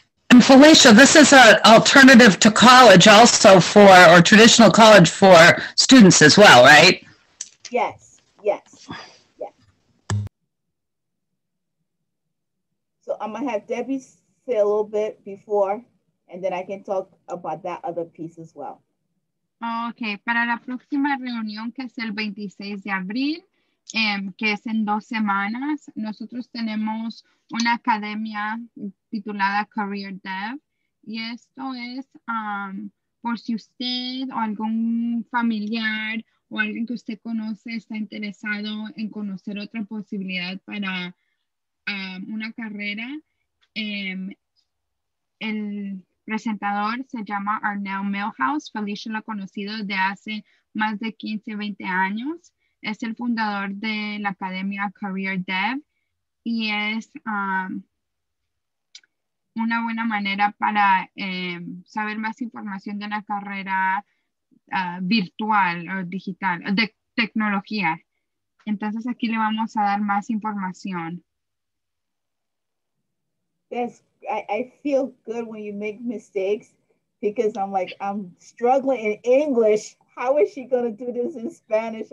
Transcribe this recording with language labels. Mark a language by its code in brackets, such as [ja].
[en] And Felicia, this is an alternative to college also for, or traditional college for students as well, right? Yes, yes, yes. So I'm gonna have Debbie say a little bit before, and then I can talk about that other piece as well. [es] Okay, para la próxima reunión que es el 26 de abril, que es en 2 semanas, nosotros tenemos una academia titulada Career Dev, y esto es por si usted o algún familiar o alguien que usted conoce está interesado en conocer otra posibilidad para una carrera. El presentador se llama Arnell Milhouse. Felicia lo ha conocido de hace más de 15, 20 años. Es el fundador de la Academia Career Dev y es una buena manera para saber más información de la carrera virtual o digital, de tecnología. Entonces aquí le vamos a dar más información. [en] Yes, I feel good when you make mistakes because I'm like, I'm struggling in English. How is she going to do this in Spanish?